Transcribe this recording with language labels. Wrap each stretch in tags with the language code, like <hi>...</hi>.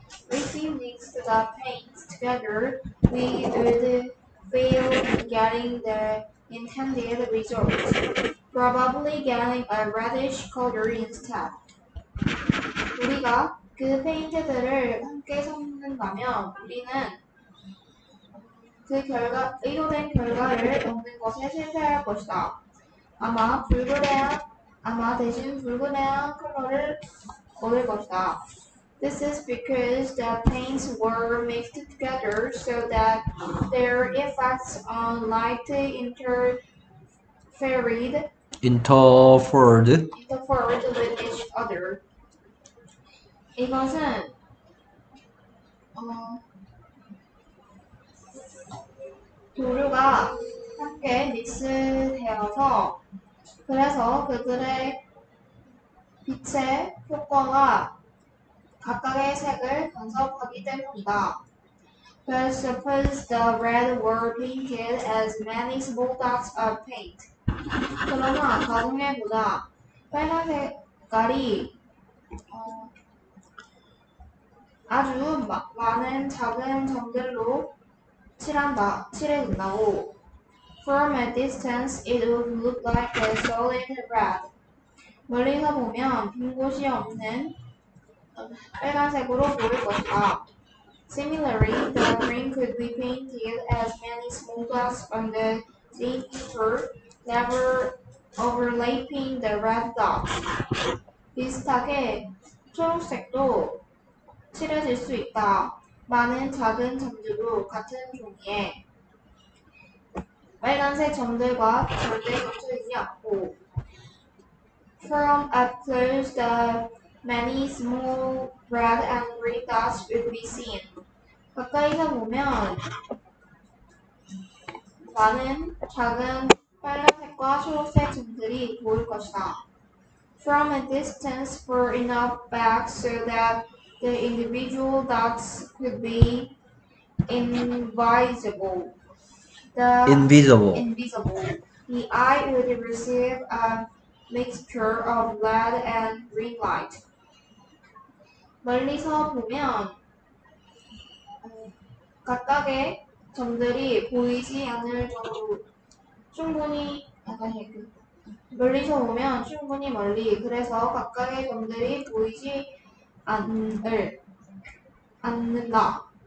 <en>Mixing mixed paints together, we would fail in getting the intended result, probably getting a reddish color instead.</en> <ko>우리가 그 페인트들을 함께 섞는다면 우리는 그 결과, 의도된 결과를 얻는 것에 실패할 것이다. 아마 대신 붉은 에어 컬러를 얻을 것이다.</ko> <en>This is because the paints were mixed together so that their effects on light Interferred. interfered with each other.</en> <ko>이것은 도료가 함께 믹스되어서 그래서 그들의 빛의 효과가 각각의 색을 간섭하기 때문이다.</ko> <en>But suppose the red were painted as many small dots of paint.</en> <ko>그러나 가정해보자. 빨간 색깔이 아주 많은 작은 점들로 칠해진다고.</ko> <en>From a distance, it would look like a solid red.</en> <ko>멀리서 보면 빈 곳이 없는 빨간색으로 보일 것이다.</ko> <en>Similarly, the green could be painted as many small dots on the same paper, never overlapping the red dots.</en> <ko>비슷하게 초록색도 칠해질 수 있다. 많은 작은 점들로 같은 종이에 빨간색 점들과 절대 겹쳐있지 않고</ko> <en>From up close, the many small red and green dots will be seen.</en> <ko>가까이서 보면 많은 작은 빨간색과 초록색 점들이 보일 것이다.</ko> <en>from a distance far enough back so that the individual dots could be invisible. Invisible. The eye would receive a mixture of red and green light.</en> <ko>멀리서 보면 각각의 점들이 보이지 않을 정도로 충분히 멀리서 보면 충분히 멀리 그래서 각각의 점들이 보이지 않는다.</ko>